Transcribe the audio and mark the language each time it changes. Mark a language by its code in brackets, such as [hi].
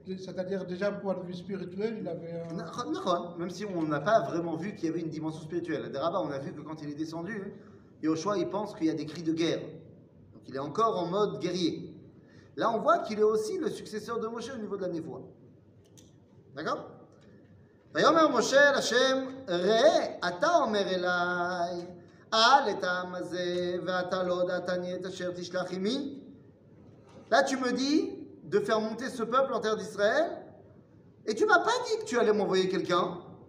[fr] C'est-à-dire, déjà, au point de vue spirituel, il avait... Non, même si on n'a pas vraiment vu qu'il y avait une dimension spirituelle. Des rabbins, on a vu que quand il est descendu, Yehoshua, il pense qu'il y a des cris de guerre. Donc, il est encore en mode guerrier. Là, on voit qu'il est aussi le successeur de Moshe au niveau de la névoie. D'accord ? [he] ויאמר משה אל השם, ראה, אתה אומר אליי, אל את העם הזה, ואתה לא דעתני את אשר תשלח עמי. [fr] Là, tu me dis de faire monter ce peuple en terre d'Israël, et tu ne m'as pas dit que tu allais m'envoyer quelqu'un.